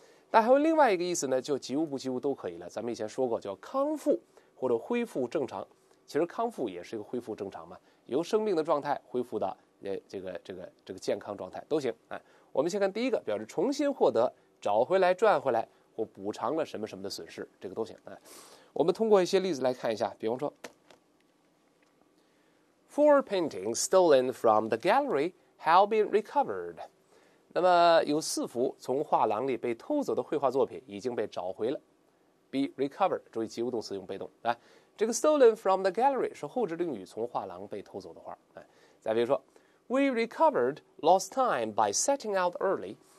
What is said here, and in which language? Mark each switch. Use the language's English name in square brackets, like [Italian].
[Chinese] 但还有另外一个意思呢，就及物不及物都可以了。咱们以前说过叫康复或者恢复正常，其实康复也是一个恢复正常嘛，由生病的状态恢复到这个健康状态都行。哎，我们先看第一个，表示重新获得，找回来，赚回来，或补偿了什么什么的损失，这个都行。哎，我们通过一些例子来看一下，比方说。 [English] Four paintings stolen from the gallery have been recovered。 [Chinese] 那么有四幅从画廊里被偷走的绘画作品已经被找回了。 [English] Be recovered， [Chinese] 注意及物动词用被动。来，这个 [English] stolen from the gallery [Chinese] 是后置定语，从画廊被偷走的画。再比如说， [English] We recovered lost time by setting out early。